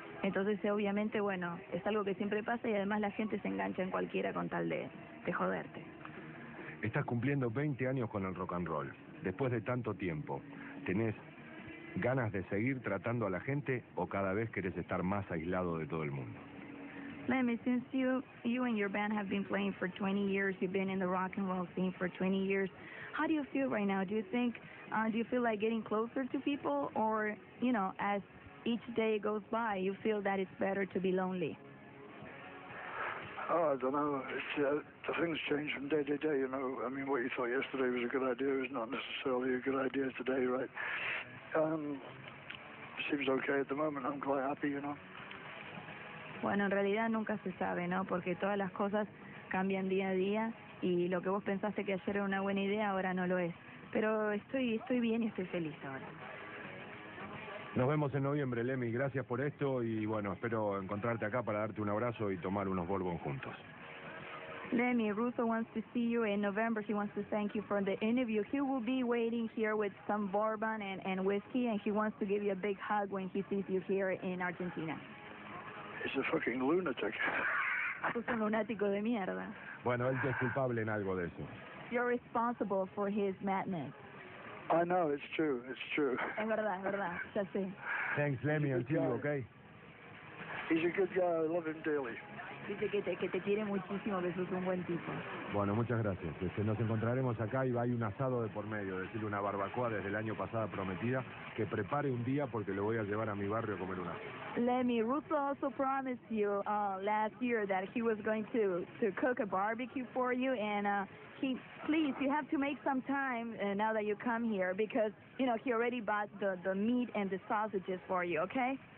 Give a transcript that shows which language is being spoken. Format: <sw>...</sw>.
<es>Entonces, obviamente, bueno, es algo que siempre pasa y además la gente se engancha en cualquiera con tal de joderte. Estás cumpliendo 20 años con el rock and roll. Después de tanto tiempo, ¿tenés ganas de seguir tratando a la gente o cada vez querés estar más aislado de todo el mundo?</es> <en>Lemmy, since you and your band have been playing for 20 years, you've been in the rock and roll scene for 20 years, how do you feel right now? Do you think, do you feel like getting closer to people or, you know, as each day goes by, you feel that it's better to be lonely? Oh, I don't know. It's, the things change from day to day, you know. I mean, what you thought yesterday was a good idea is not necessarily a good idea today, right? Seems okay at the moment. I'm quite happy, you know.</en> <es>Bueno, en realidad nunca se sabe, ¿no? Porque todas las cosas cambian día a día y lo que vos pensaste que ayer era una buena idea ahora no lo es. Pero estoy bien y estoy feliz ahora. Nos vemos en noviembre, Lemmy. Gracias por esto y bueno, espero encontrarte acá para darte un abrazo y tomar unos bourbon juntos.</es> <en>Lemmy, Russo wants to see you in November. He wants to thank you for the interview. He will be waiting here with some bourbon and whiskey and he wants to give you a big hug when he sees you here in Argentina. He's a fucking lunatic.</en> <es>Es un lunático de mierda. Bueno, él es culpable en algo de eso.</es> <en>You're responsible for his madness. I know, it's true, it's true.</en> <es>Es verdad, ya sé.</es> <en>Thanks, Lemmy, I'll see you, okay? He's a good guy, I love him dearly.</en> <es>Dice que te quiere muchísimo, que sos un buen tipo. Bueno, muchas gracias. Nos encontraremos acá y va a ir un asado de por medio, decirle una barbacoa desde el año pasado prometida, que prepare un día porque lo voy a llevar a mi barrio a comer un asado.</es> <en>Lemmy, Russo also promised you last year that he was going to cook a barbecue for you and please, you have to make some time now that you come here because, you know, he already bought the meat and the sausages for you, okay?</en>